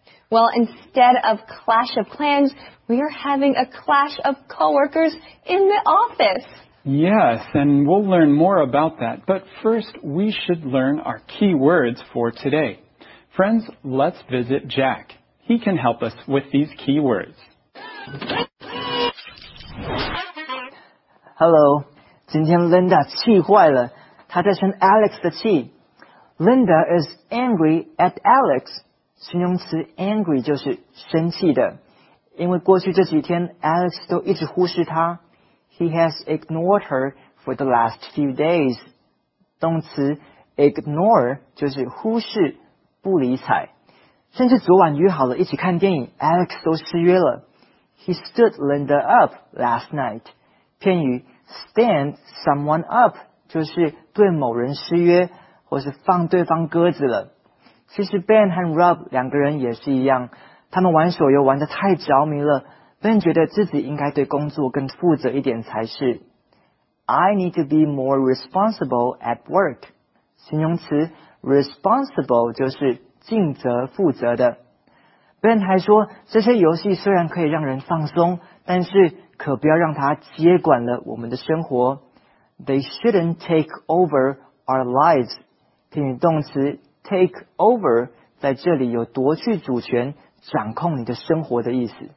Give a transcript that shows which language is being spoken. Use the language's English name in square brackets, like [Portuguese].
[English] Well, instead of Clash of Clans, we are having a clash of coworkers in the office. Yes, and we'll learn more about that, but first we should learn our key words for today. Friends, let's visit Jack. He can help us with these key words. Hello, [Chinese] 今天 Linda 气坏了，她在生 Alex 的气。 [English] Linda is angry at Alex, [Chinese] 形容词 angry 就是生气的，因为过去这几天 Alex 都一直忽视她。 [English] He has ignored her for the last few days. [Chinese] 动词 ignore 就是忽视、不理睬。甚至昨晚约好了一起看电影 ,Alex 都失约了。 [English] He stood Linda up last night. [Chinese] 片语 [English] stand someone up [Chinese] 就是对某人失约或是放对方鸽子了。其实 Ben 和 Rob 两个人也是一样，他们玩手游玩得太着迷了，Ben 觉得自己应该对工作更负责一点才是。 [English] I need to be more responsible at work. [Chinese] 形容词 responsible 就是尽责负责的。 Ben 还说，这些游戏虽然可以让人放松，但是可不要让它接管了我们的生活。 [English] They shouldn't take over our lives. [Chinese] 片语动词 take over 在这里有夺去主权、掌控你的生活的意思。